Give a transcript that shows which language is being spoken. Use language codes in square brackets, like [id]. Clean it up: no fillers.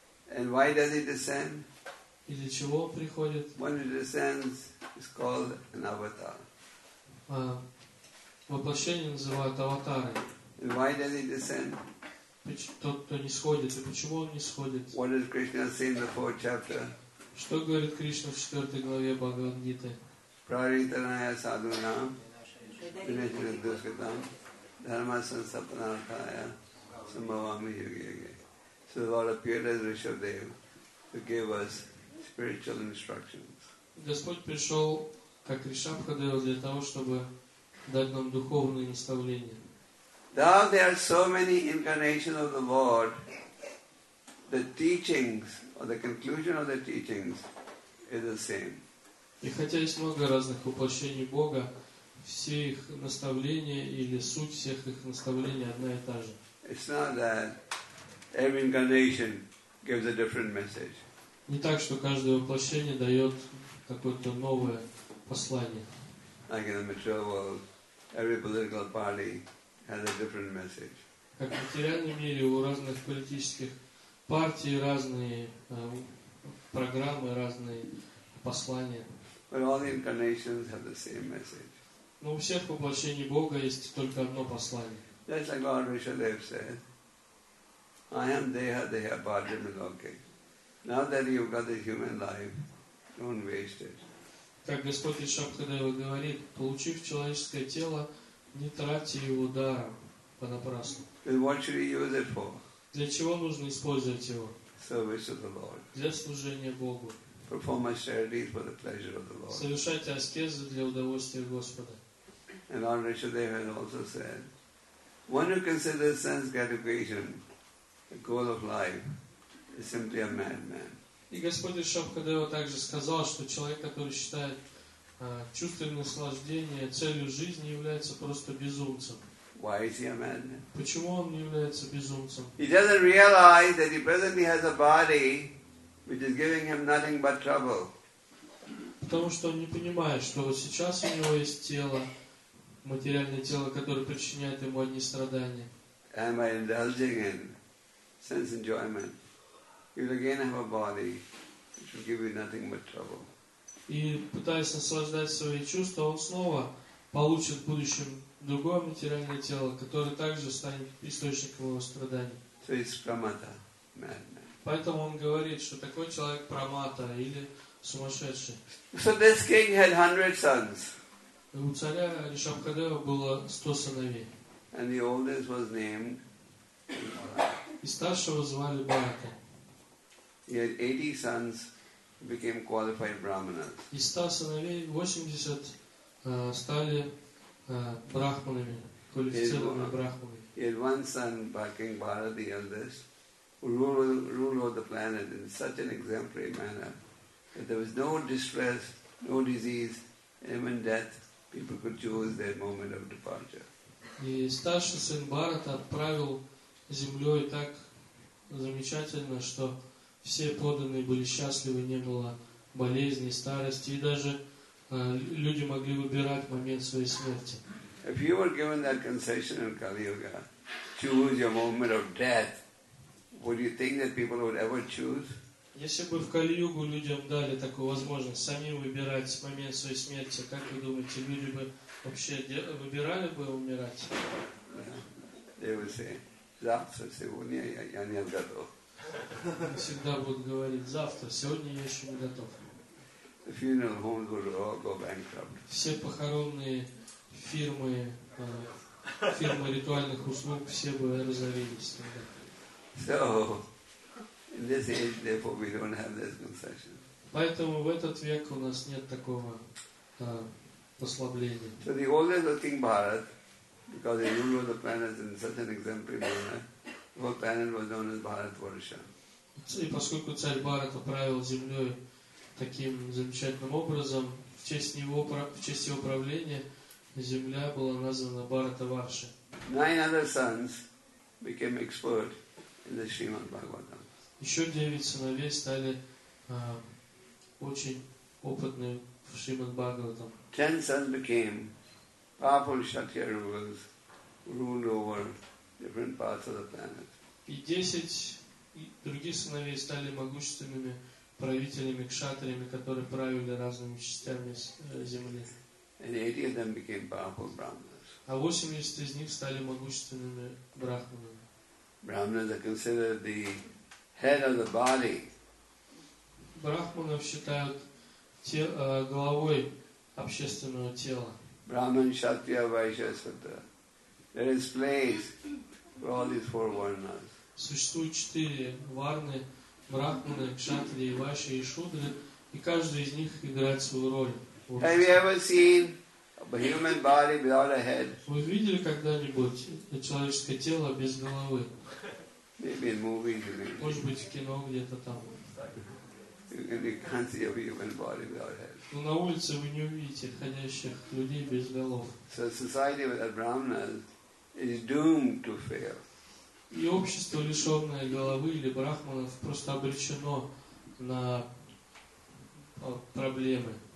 [en] And why does he descend? [ru] И для чего он приходит? [en] When he descends, it's called an avatar. [ru] Воплощение называют аватарой. [en] And why does he descend? [ru] Тот, кто не сходит, и почему он не сходит? [en] What does Krishna say in the fourth chapter? [ru] Что говорит Кришна в четвертой главе Бхагавад-гиты? [sa] Праританая садунам, принесли дускатам, дхармасан сапанархая, самбавами йоги-йоги. [en] So the Lord appeared as Rishabhadev to give us spiritual instructions. [ru] Господь пришел как Ришабхадева для того, чтобы дать нам духовные наставления. [en] Now there are so many incarnations of the Lord, the teachings or the conclusion of the teachings is the same. [ru] И хотя есть много разных воплощений Бога, все их наставления или суть всех их наставлений одна и та же. [en] It's not that every incarnation gives a different message. [ru] Не так, что каждое воплощение дает какое-то новое послание. [en] Like in the material world, every political party has a different message. [ru] Как в материальном мире у разных политических партий разные программы, разные послания. [en] But all the incarnations have the same message. [ru] Но у всех воплощений Бога есть только одно послание. [en] That's like Lord Rishabhadev said, "I am [sa] Deha Deha Bhajamiloke." [en] Now that you've got the human life, don't waste it. [ru] Как Господь Ришабхадева говорит, получив человеческое тело, не тратьте его даром понапрасну. [en] Then what should you use it for? [ru] Для чего нужно использовать его? [en] Service of the Lord. [ru] Для служения Богу. [en] Perform austerities for the pleasure of the Lord. [ru] Совершайте аскезы для удовольствия Господа. [en] And Lord Rishabhadev has also said, one who considers sense gratification the goal of life is simply a madman. [ru] И Господь Ришабхадева также сказал, что человек, который считает чувственное наслаждение целью жизни является просто безумцем. [en] Why is he a madman? [ru] Почему он является безумцем? [en] He doesn't realize that he presently has a body which is giving him nothing but trouble. [ru] Потому что он не понимает, что сейчас у него есть тело, материальное тело, которое причиняет ему одни страдания. [en] Am I indulging in sense enjoyment? You will again have a body which will give you nothing but trouble. [ru] И пытаясь наслаждать свои чувства, он снова получит в будущем другое материальное тело, которое также станет источником его страданий. [en] So it's Pramata, madman. [ru] Поэтому он говорит, что такой человек Прамата или сумасшедший. [en] So this king had 100 sons. [ru] У царя Ришабхадева было 100 сыновей. [en] And the oldest was named [ru] И старшего звали Барака. [en] He had 80 sons who became qualified brahmanas. [ru] И 100 сыновей, 80 стали брахманами, квалифицированными брахманами. [en] He had one son, King Bharata, the eldest, who ruled over the planet in such an exemplary manner that there was no distress, no disease, even death, people could choose their moment of departure. [ru] И старший сын Бхарата отправил землей так замечательно, что все подданные были счастливы, не было болезней, старости, и даже люди могли выбирать момент своей смерти. [en] If you were given that concession in Kali Yuga, choose your moment of death, would you think that people would ever choose? [ru] Если бы в Кали-Югу людям дали такую возможность самим выбирать момент своей смерти, как вы думаете, люди бы вообще выбирали бы умирать? Завтра, сегодня я не готов. Всегда будут говорить, завтра, сегодня я еще не готов. [en] The funeral homes would all go bankrupt. [ru] Все похоронные фирмы, фирмы ритуальных услуг, все бы разорились тогда. [en] So, in this age, therefore, we don't have this concession. [ru] Поэтому в этот век у нас нет такого послабления. [en] So the oldest of King Bharat, because he ruled the planets in such an exemplary manner, the whole planet was known as Bharat Varsha. [ru] И поскольку царь Бхарат управлял землей таким замечательным образом, в честь его правления земля была названа Бхарата Варша. [en] 9 other sons became expert in the Shrimad Bhagavatam. [ru] Еще 9 сыновей стали очень опытными в Шримад Бхагаватам. [en] 10 sons became powerful Kshatriya rulers who ruled over different parts of the planet. [ru] И 10 других сыновей стали могущественными правителями, кшатриями, которые правили разными частями земли. [en] And 80 of them became powerful brahmanas. [ru] А 80 из них стали могущественными брахманами. [en] Brahmanas are considered the head of the body. [ru] Брахманов считают головой общественного тела. [en] Brahman, Kshatriya, Vaishya, Sudra. There is place for all these 4 varnas. [ru] Существует 4 варны: брахманы, кшатри, вайши и шудры, и каждый из них играет свою роль. [en] Have you ever seen a human body without a head? [ru] Вы видели когда-нибудь человеческое тело без головы? [en] Maybe in movies, maybe. [ru] Может быть, в кино где-то там. [en] You can't see a human body without a head. [ru] Но на улице вы не увидите ходящих людей без голов. [en] So society without brahmanas is doomed to fail. [ru] И общество, лишенное головы или брахманов, просто обречено на проблемы.